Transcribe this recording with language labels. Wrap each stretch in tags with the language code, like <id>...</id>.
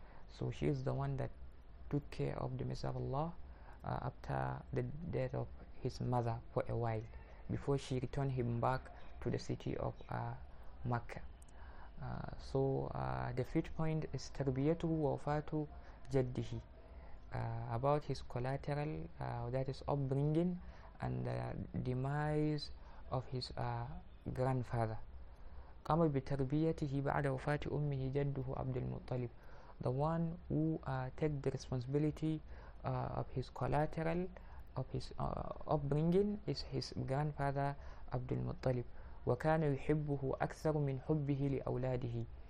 <en>So she is the one that took care of the Messiah of Allah after the death of his mother for a while, before she returned him back to the city of Mecca. So the fifth point is</en> <ar>tarbiyatuhu wa wafatu jaddihi,</ar> <en>about his collateral, that is upbringing, and the demise of his grandfather.</en> <ar>قام بتربيته بعد وفاة أمه جده عبد المطلب.</ar> <en>The one who take the responsibility of his collateral, of his upbringing, is his grandfather عبد المطلب.</en> <ar>وكان يحبه أكثر من حبه لأولاده.</ar>